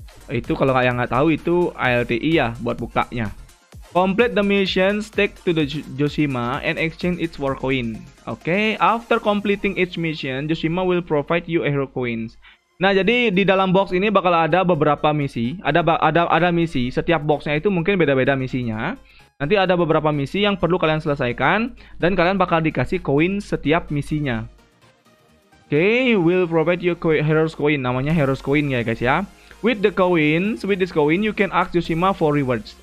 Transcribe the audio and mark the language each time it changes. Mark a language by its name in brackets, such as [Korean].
[Indonesian] Itu kalau kalian nggak tahu itu ALTI ya buat bukanya. [English] Complete the mission, take to the Josima and exchange its war coin. Okay, after completing each mission, Josima will provide you hero coins. [Indonesian] Nah, jadi di dalam box ini bakal ada beberapa misi. Ada misi. Setiap boxnya itu mungkin beda-beda misinya. Nanti ada beberapa misi yang perlu kalian selesaikan dan kalian bakal dikasih koin setiap misinya. Oke, okay, [English] will provide you heroes coin. [Indonesian] Namanya heroes coin ya guys ya. [English] With this coin you can ask Josima for rewards.